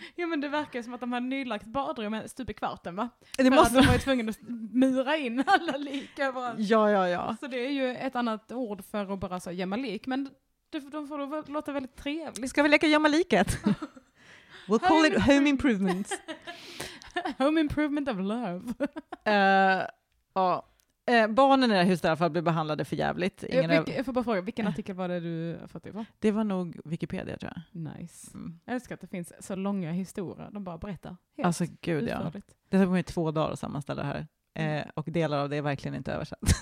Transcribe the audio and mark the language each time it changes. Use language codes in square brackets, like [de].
[sv] Ja, men det verkar som att de hade nylagt badrummet stup i kvarten, va? Det för måste att de var ju tvungna att myra in alla lik överallt. Ja. Så det är ju ett annat ord för att bara så gömma lik, men de får då låta väldigt trevligt. Ska vi leka gömma liket? [en] We'll call it home improvements. Home improvement of love. [sv] Ja. Barnen i det här huset i alla fall blev behandlade för jävligt. Ingen jag får bara fråga, vilken artikel var det du fått ifrån? Det var nog Wikipedia, tror jag. [en] Nice. Mm. [sv] Jag älskar att det finns så långa historier. De bara berättar helt. Alltså gud, ja. Det tog mig 2 dagar att sammanställa det här. Och delar av det är verkligen inte översatt.